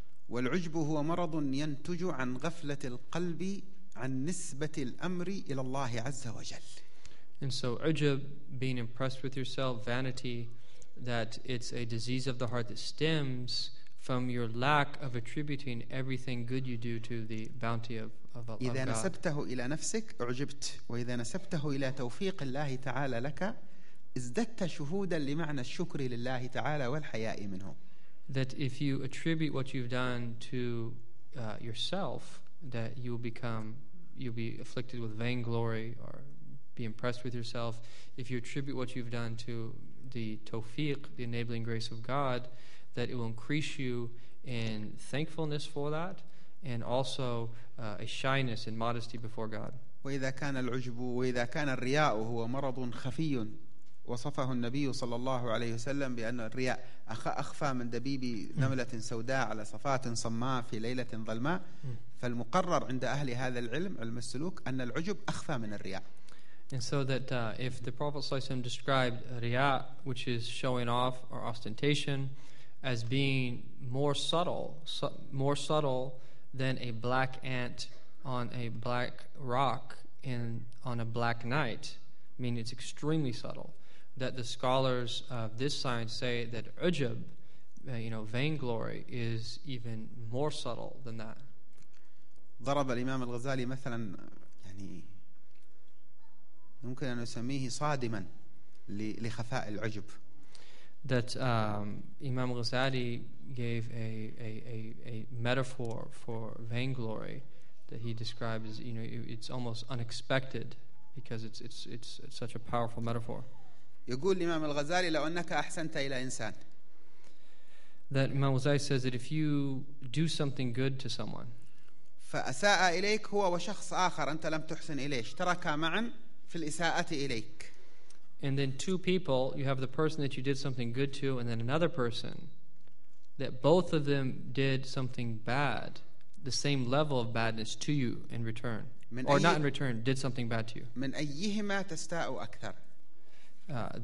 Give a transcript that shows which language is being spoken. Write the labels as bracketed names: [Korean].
[Arabic] والعجب هو مرض ينتج عن غفلة القلب عن نسبة الأمر إلى الله عز وجل. [English] And so عجب, being impressed with yourself, vanity, that it's a disease of the heart that stems from your lack of attributing everything good you do to the bounty of Allah. [Arabic] إذا نسبته إلى نفسك عجبت, وإذا نسبته إلى توفيق الله تعالى لك ازددت شهودا لمعنى الشكر لله تعالى والحياء منه. [English] That if you attribute what you've done to yourself, that you'll be afflicted with vainglory or be impressed with yourself. If you attribute what you've done to the tawfiq, the enabling grace of God, that it will increase you in thankfulness for that, and also a shyness and modesty before God. [Arabic] وإذا كان العجب وإذا كان الرياء هو مرض خفي وصفه النبي صلى الله عليه وسلم بأن الرياء أخفى من دبيب نملة سوداء على صفات صماء في ليلة ظلماء فالمقرر عند أهل هذا العلم علم السلوك أن العجب أخفى من الرياء. [English] And so that if the Prophet [Arabic] صلى الله عليه وسلم [English] described رياء, which is showing off or ostentation, as being more subtle than a black ant on a black rock in on a black night, meaning it's extremely subtle, that the scholars of this science say that ujub, you know, vainglory, is even more subtle than that. [Arabic] ضرب الإمام الغزالي مثلا يعني ممكن أن نسميه صادما لخفاء العجب. [English] That Imam Ghazali gave a metaphor for vainglory that he describes, you know, it's almost unexpected because it's such a powerful metaphor. [Arabic] يقول الإمام الغزالي لو أنك أحسنت إلى إنسان. [English] That Imam Ghazali says that if you do something good to someone. [Arabic] فأساء إليك هو وشخص آخر أنت لم تحسن إليه اشتركا معا في الإساءة إليك. [English] And then two people, you have the person that you did something good to, and then another person, that both of them did something bad, the same level of badness to you in return. Or not in return, did something bad to you. [Arabic] من أيهما تستاء أكثر.